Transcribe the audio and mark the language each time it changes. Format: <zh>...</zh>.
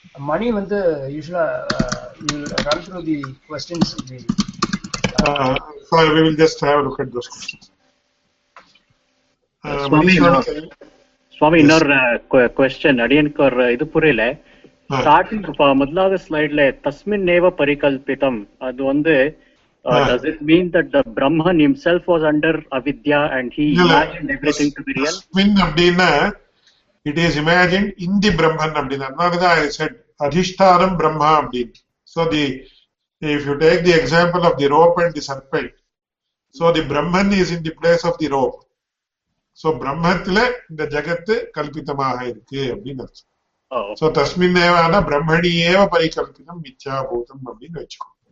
<en>மணி வந்து யூசுவலா ரன் த்ரூ தி क्वेश्चंस இந்த so we will just have a look at those Swami, question.</en> <ta>அடியனுக்கு ஒரு இது புரியல. ஸ்டார்டிங் முதலாவது ஸ்லைட்ல</ta> <sa>தஸ்மின் நேவ பரிகல்பிதம்,</sa> <en>அது வந்து does it mean that the Brahman himself was under avidya and he imagined everything to be real? தஸ்மின் அப்படின்னா it is imagine in the Brahman அப்படின்னு.</en> <ta>அதனாலதான்</ta> <en>I said</en> <ta>அதிஷ்டானம் பிரம்மா அப்படின்னு.</ta> <en>So the if you take the example of the rope and the serpent, so the Brahman is in the place of the rope.</en> <ta>So பிரம்மத்துல இந்த ஜகத்து கல்பிதமாக இருக்கு அப்படின்னு அர்த்தம்.</ta> <sa>சோ தஸ்மின் ஏவான பிரம்மணி ஏவ பரிகல்பிதம் மிச்சா பூதம்</sa> <ta>அப்படின்னு வச்சுக்கோ.</ta>